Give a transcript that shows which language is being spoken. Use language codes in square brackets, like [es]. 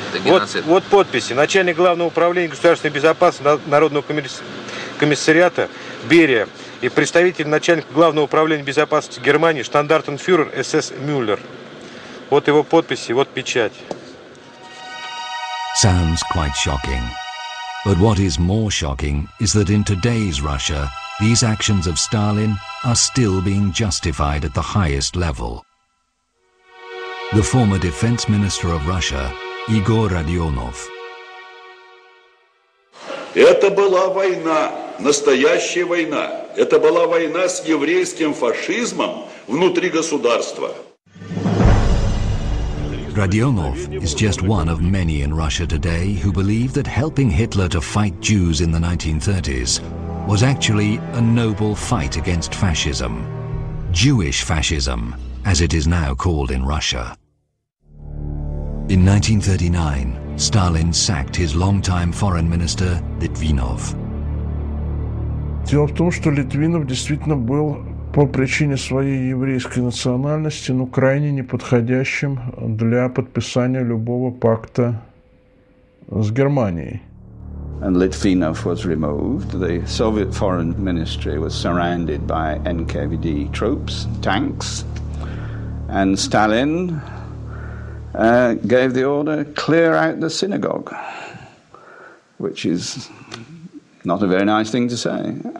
[ru] Вот подписи. Начальник главного управления государственной безопасности Народного комиссариата Берия и представитель начальника главного управления безопасности Германии штандартенфюрер СС Мюллер. Вот его подписи, вот печать. [en] Sounds quite shocking. But what is more shocking is that in today's Russia, these actions of Stalin are still being justified at the highest level. The former defense minister of Russia, Igor Radionov. [ru] Это была война, настоящая война. Это была война с еврейским фашизмом внутри государства. [en] Radionov is just one of many in Russia today who believe that helping Hitler to fight Jews in the 1930s was actually a noble fight against fascism. Jewish fascism, as it is now called in Russia. In 1939, Stalin sacked his longtime foreign minister, Litvinov. [ru] Дело в том, что Литвинов действительно был по причине своей еврейской национальности, ну, крайне неподходящим для подписания любого пакта с Германией. [en] And Litvinov was removed. The Soviet foreign ministry was surrounded by NKVD troops, tanks. And Stalin gave the order, clear out the synagogue, which is not a very nice thing to say.